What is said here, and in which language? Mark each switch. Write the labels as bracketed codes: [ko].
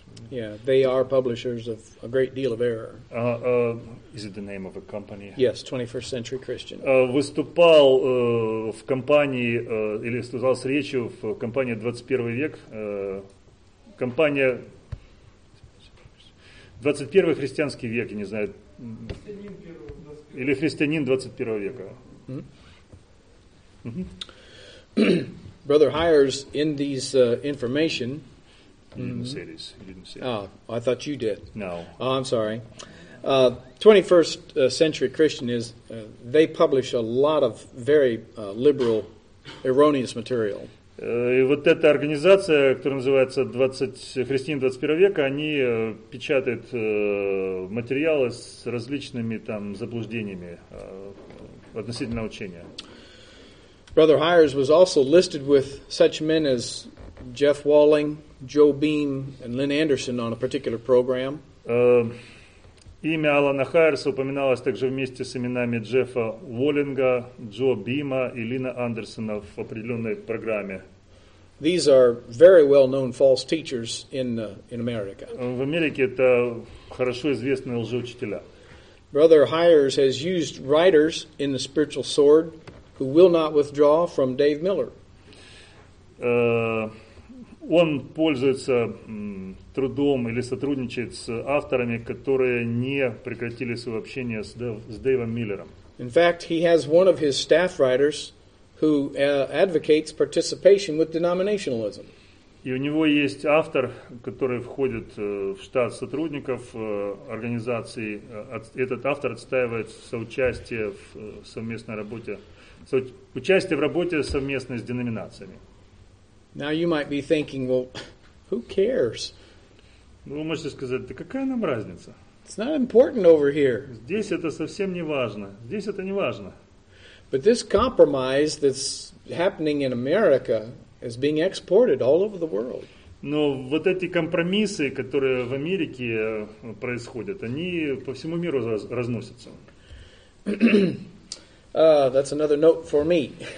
[en] Yeah, they are publishers of a great deal of error. Is it the name of a company? Yes, 21st Century Christian. [ru] Выступал в компании или сказал с речью в компании 21 век. Компания 21 христианский век, я не знаю. Или христианин 21 века. [en] Brother Hires in these information. You didn't say this. Oh, I thought you did. No. Oh, I'm sorry. 21st Century Christian is, they publish a lot of very liberal, erroneous material. [ru] И вот эта организация, которая называется «Христиане 21 века», они печатают материалы с различными там заблуждениями относительно учения. [en] Brother Hires was also listed with such men as Jeff Walling, Joe Beam and Lynn Anderson on a particular program. [ru] Имя Алана Хайерса упоминалось также вместе с именами Джеффа Уоллинга, Джо Бима и Лина Андерсона в определенной программе. [en] These are very well-known false teachers in America. [ru] В Америке это хорошо известные лжеучителя. [en] Brother Hires has used writers in the Spiritual Sword who will not withdraw from Dave Miller. [ru] Он пользуется трудом или сотрудничает с авторами, которые не прекратили свое общение с Дэйвом Миллером. [en] In fact, he has one of his staff writers who advocates participation with denominationalism. [ru] И у него есть автор, который входит в штат сотрудников организации. Этот автор отстаивает соучастие в совместной работе, участие в работе совместно с деноминациями. [en] Now you might be thinking, well, who cares? [ru] Ну, вы можете сказать, да какая нам разница? [en] It's not important over here. [ru] Здесь это совсем не важно. Здесь это не важно. [en] But this compromise that's happening in America is being exported all over the world. [ru] Но вот эти компромиссы, которые в Америке происходят, они по всему миру разносятся. [en] That's another note for me.